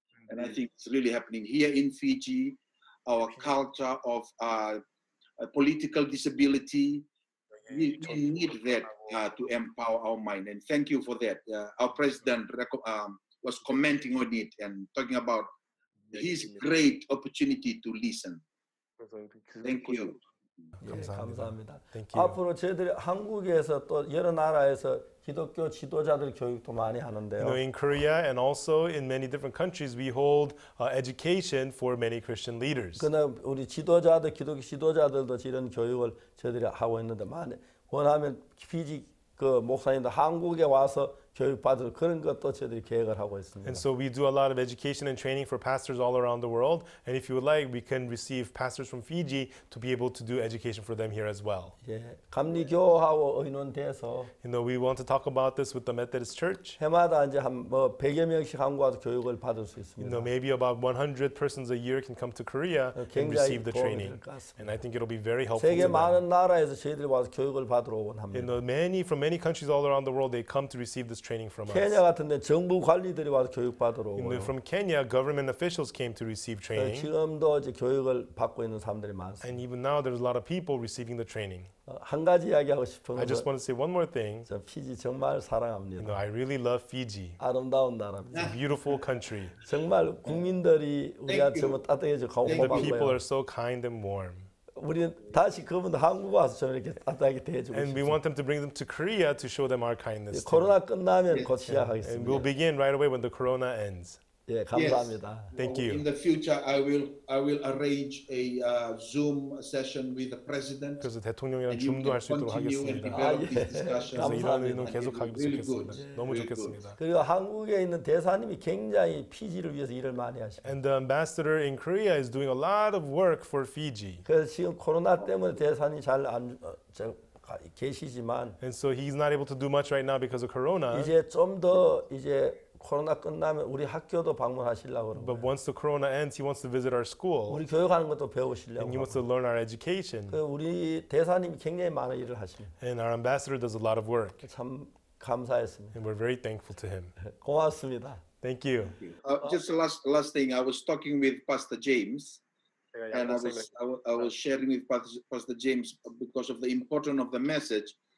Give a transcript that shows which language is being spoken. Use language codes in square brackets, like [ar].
[en] And I think it's really happening here in Fiji, our culture of a political disability. We need that to empower our mind, and thank you for that. Our president was commenting on it and talking about his great opportunity to listen. Thank you. [ko] 예, 감사합니다. [en] Thank you. [ko] 앞으로 저희들이 한국에서 또 여러 나라에서 기독교 지도자들 교육도 많이 하는데요. [en] You know, in Korea and also in many different countries, we hold education for many Christian leaders. [ko] 그러나 우리 지도자들, 기독교 지도자들도 이런 교육을 저희들이 하고 있는데 많이 원하면 피지 그 목사님도 한국에 와서 교육받을 그런 것도 저희들이 계획을 하고 있습니다. [en] And so we do a lot of education and training for pastors all around the world. And if you would like, we can receive pastors from Fiji to be able to do education for them here as well. [ko] 예, 감리교하고 의논돼서. [en] You know, we want to talk about this with the Methodist Church. [ko] 해마다 이제 한 뭐 100여 명씩 한국 와서 교육을 받을 수 있습니다. [en] You know, maybe about 100 persons a year can come to Korea and receive the training. And I think it'll be very helpful. [ko] 세계 많은 나라에서 저희들이 와서 교육을 받으러 오곤 합니다. [en] You know, many from many countries all around the world, they come to receive this training from us. [ko] 케냐 같은데 정부 관리들이 와서 교육 받으러 오고요. [en] From Kenya, government officials came to receive training. [ko] 지금도 이제 교육을 받고 있는 사람들이 많습니다. [en] And even now, there's a lot of people receiving the training. [ko] 한 가지 이야기하고 싶은 거. [en] I just want to say one more thing. [ko] 저 피지 정말 사랑합니다. [en] You know, I really love Fiji. [ko] 아름다운 나라입니다. [en] It's a beautiful country. [ko] 정말 국민들이 우리가 정말 따뜻해져 고맙고요. [en] The people are so kind and warm. [ko] 우리 다시 그분들 한국 와서 좀 이렇게 따뜻하게 대해 주고 싶어요. [en] And we want them to bring them to Korea to show them our kindness. [ko] 코로나 끝나면 곧 시작하겠습니다. [en] And we'll begin right away when the corona ends. [ko] 예, 감사합니다. [en] Yes. Thank you. In the future I will arrange a Zoom session with the president. [ko] 그래서 대통령이랑 줌도 할 수 있도록 하겠습니다. 아, 예. 감사합니다. 이런 일은 계속 하기 좋겠습니다. 너무 좋겠습니다. 그리고 한국에 있는 대사님이 굉장히 피지를 위해서 일을 많이 하십니다. [en] And the ambassador in Korea is doing a lot of work for Fiji. [ko] 그래서 지금 코로나 때문에 대사님 잘 안 계시지만 [en] And so he's not able to do much right now because of corona. [ko] 이제 좀 더 이제 코로나 끝나면 우리 학교도 방문하시려고 그러고. [en] But once the corona ends, he wants to visit our school. [ko] 우리 교육하는 것도 배우시려고. [en] And he wants to learn our education. [ko] 그 우리 대사님이 굉장히 많은 일을 하십니다. [en] And our ambassador does a lot of work. [ko] 참 감사했습니다. [en] And we're very thankful to him. [ko] 고맙습니다. [en] Thank you. Just last thing, I was talking with Pastor James, and I was sharing with Pastor James because of the importance of the message.